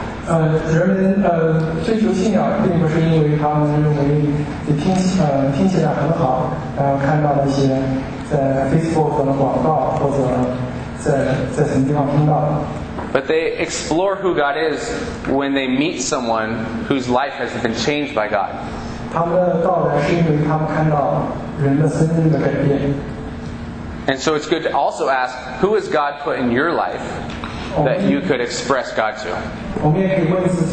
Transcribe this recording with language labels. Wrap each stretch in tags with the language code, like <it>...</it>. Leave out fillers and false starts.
<zh>人们追求信仰并不是因为他们认为听起来很好，然后看到了一些在Facebook或者广告或者在什么地方听到的。</zh> <en>But they explore who God is when they meet someone whose life has been changed by God.</en> <zh>他们的到来是因为他们看到人的生命的改变。</zh> <en>And so it's good to also ask, who has God put in your life that you could express God to?</en>